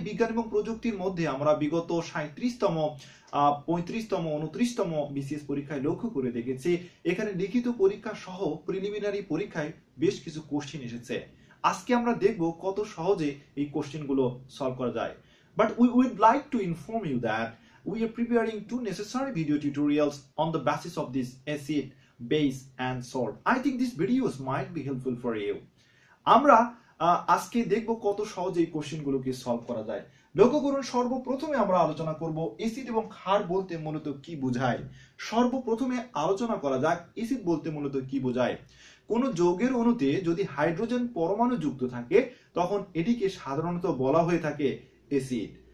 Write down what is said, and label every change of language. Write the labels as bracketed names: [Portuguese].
[Bangla] বিজ্ঞান এবং প্রযুক্তির মধ্যে আমরা বিগত 37তম 35তম 29তম বিসিএস পরীক্ষায় লক্ষ্য করে দেখেছি এখানে লিখিত পরীক্ষা সহ প্রিলিমিনারি পরীক্ষায় বেশ কিছু কোশ্চিন এসেছে। আজকে আমরা দেখব কত সহজে এই কোশ্চিনগুলো সলভ করা যায়। [English] But we would like to inform you that we are preparing two necessary video tutorials on the basis of this acid, base and salt. I think these videos might be helpful for you. [Bangla] আমরা আজকে দেখব কত সহজে এই কোশ্চেনগুলোকে solve করা যায়। লক্ষ্য করুন, সর্বপ্রথমে আমরা আলোচনা করব অ্যাসিড এবং ক্ষার বলতে মূলত কি বোঝায়। সর্বপ্রথমে আলোচনা করা যাক অ্যাসিড বলতে মূলত কি বোঝায়। কোন যৌগের অণুতে যদি হাইড্রোজেন পরমাণু যুক্ত থাকে তখন এটিকে সাধারণত বলা হয়ে থাকে অ্যাসিড।